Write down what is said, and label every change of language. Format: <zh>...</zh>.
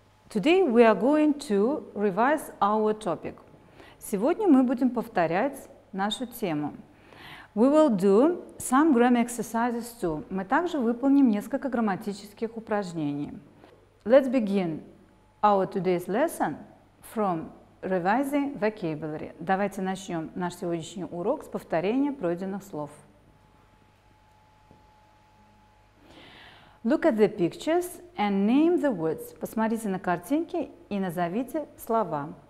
<en>Today we are going to revise our topic.</en> <ru>Сегодня мы будем повторять нашу тему.</ru> <en>We will do some grammar exercises too.</en> <ru>Мы также выполним несколько грамматических упражнений.</ru> <en>Let's begin our today's lesson from revising vocabulary.</en> <ru>Давайте начнем наш сегодняшний урок с повторения пройденных слов.</ru> <en>Look at the pictures and name the words.</en> <ru>Посмотрите на картинки и назовите слова.</ru>